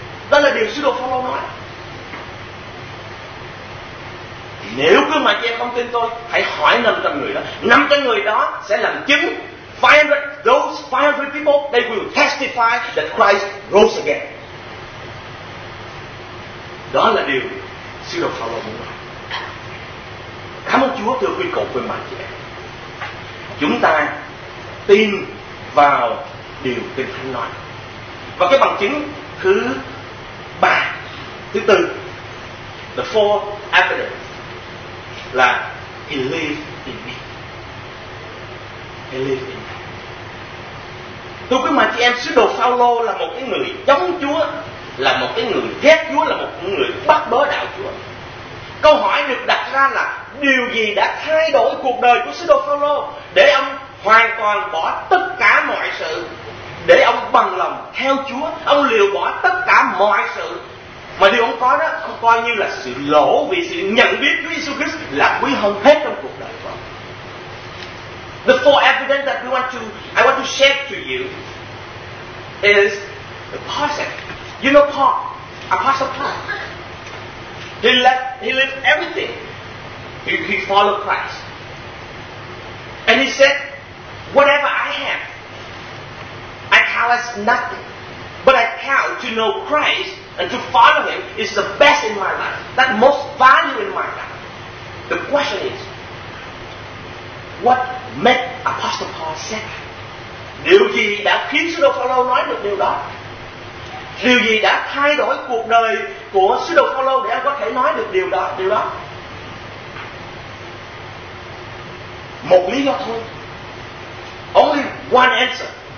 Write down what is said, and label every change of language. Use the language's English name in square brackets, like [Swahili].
[Vietnamese] Đó là điều sứ đồ Phao-lô nói. Nếu cứ mà chị em không tin tôi, hãy hỏi 500 người đó. 500 người đó sẽ làm chứng. [English] 500, those 500 people, they will testify that Christ rose again. [Vietnamese] Đó là điều sứ đồ Phao-lô muốn nói. Cảm ơn Chúa, thưa quý cậu, quý mà chị em. Chúng ta tin vào điều Kinh Thánh nói. Và cái bằng chứng thứ ba, thứ tư, [English] the fourth evidence, là he lives in me. He lives in me. [Vietnamese] Tôi cứ mà chị em, sứ đồ Phao-lô là một cái người chống Chúa, là một cái người ghét Chúa, là một người bắt bớ đạo Chúa. Câu hỏi được đặt ra là điều gì đã thay đổi cuộc đời của sứ đồ Phao-lô để ông hoàn toàn bỏ tất cả mọi sự, để ông bằng lòng theo Chúa, ông liều bỏ tất cả mọi sự mà điều ông có đó, ông coi như là sự lỗ vì sự nhận biết Chúa Jesus Christ là quý hơn hết trong cuộc đời của ông. [English] The four evidence that I want to share to you is the apostle. You know Paul, Apostle Paul. He left everything. He followed Christ. And he said, whatever I have, I count as nothing, but I count to know Christ and to follow him is the best in my life, that most value in my life. The question is, what made Apostle Paul say? [Vietnamese] Điều gì đã khiến sứ đồ Phao-lô nói được điều đó? Điều gì đã thay đổi cuộc đời của sứ đồ Phao-lô để anh có thể nói được điều đó? Điều đó. Một lý do thôi. [English] Only one answer.